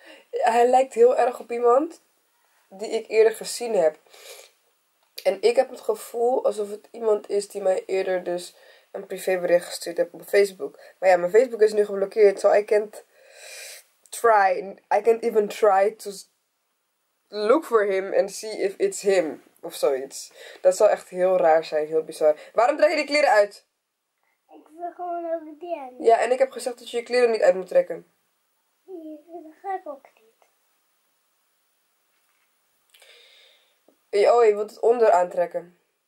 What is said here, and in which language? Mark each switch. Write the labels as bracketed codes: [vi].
[nl] Hij lijkt heel erg op iemand... Die ik eerder gezien heb. En ik heb het gevoel alsof het iemand is die mij eerder dus... Een privébericht gestuurd heb op Facebook. Maar ja, mijn Facebook is nu geblokkeerd. [en] So I can't... I can't even try to look for him and see if it's him. [nl] Of zoiets. Dat zou echt heel raar zijn, heel bizar. Waarom draai je die kleren uit? Ik wil gewoon over die aan. Ja, en ik heb gezegd dat je je kleren niet uit moet trekken. Ja, dat ga ik ook niet. Oh, je wilt het onder aantrekken.